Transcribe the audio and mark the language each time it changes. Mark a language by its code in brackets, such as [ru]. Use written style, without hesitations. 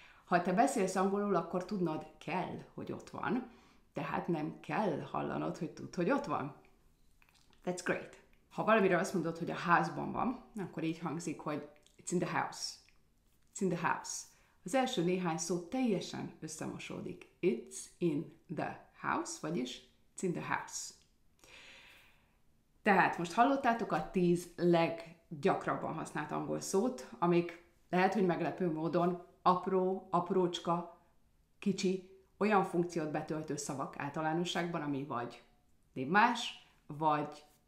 [hu] Ha te beszélsz angolul, akkor tudnod kell, hogy ott van. Tehát nem kell hallanod, hogy tudd, hogy ott van. [en] That's great. [hu] Ha valamire azt mondod, hogy a házban van, akkor így hangzik, hogy [en] it's in the house. It's in the house. [hu] Az első néhány szó teljesen összemosódik. [en] It's in the house, [hu] vagyis [en] it's in the house. [hu] Tehát most hallottátok a 10 leggyakrabban használt angol szót, amik lehet, hogy meglepő módon apró, aprócska, kicsi, olyan funkciót betöltő szavak általánosságban, ami vagy névmás, vagy